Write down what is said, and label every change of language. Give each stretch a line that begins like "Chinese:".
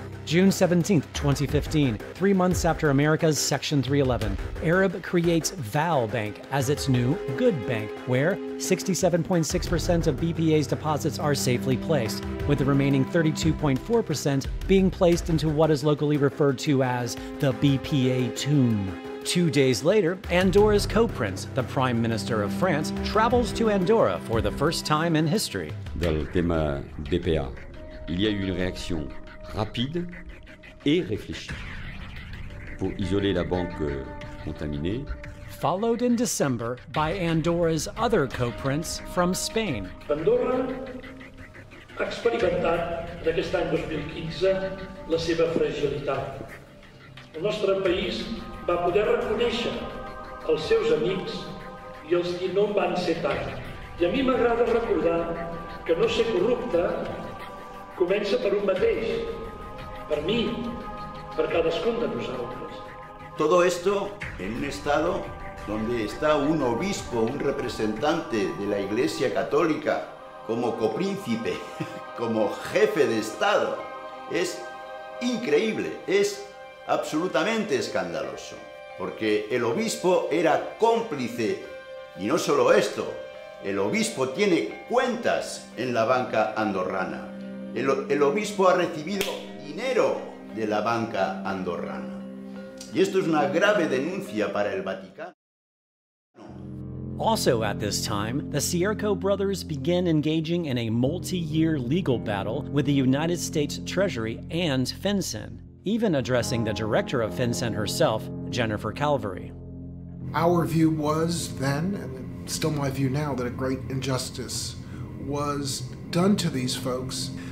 English: June 17, 2015, 3 months after America's Section 311, Arab creates Val Bank as its new good bank, where 67.6% of BPA's deposits are safely placed, with the remaining 32.4% being placed into what is locally referred to as the BPA tomb. 2 days later, Andorra's co-prince, the Prime Minister of France, travels to Andorra for the first time in history.
French: Dans le thème BPA, il y a eu une réaction rapide et réfléchie pour isoler la banque contaminée.
English: Followed in December by Andorra's other co-prince from Spain.
Catalan: Andorra ha experimentat en aquest any 2015 la seva fragilitat. El nostre país va poder reconèixer els seus amics i els qui no en van ser tant. I a mi m'agrada recordar que no ser corrupte comença per un mateix, per mi, per cadascun de nosaltres.
Spanish: Todo esto en un estado donde está un obispo, un representante de la Iglesia Católica, como copríncipe, como jefe de Estado. Es increíble, es absolutamente escandaloso, porque el obispo era cómplice, y no solo esto, el obispo tiene cuentas en la banca andorrana. El obispo ha recibido dinero de la banca andorrana. Y esto es una grave denuncia para el Vaticano.
English: Also at this time, the Cierco brothers begin engaging in a multi-year legal battle with the United States Treasury and FinCEN, even addressing the director of FinCEN herself, Jennifer Calvary. Our view was then, and still my view now, that a great injustice was done to these folks.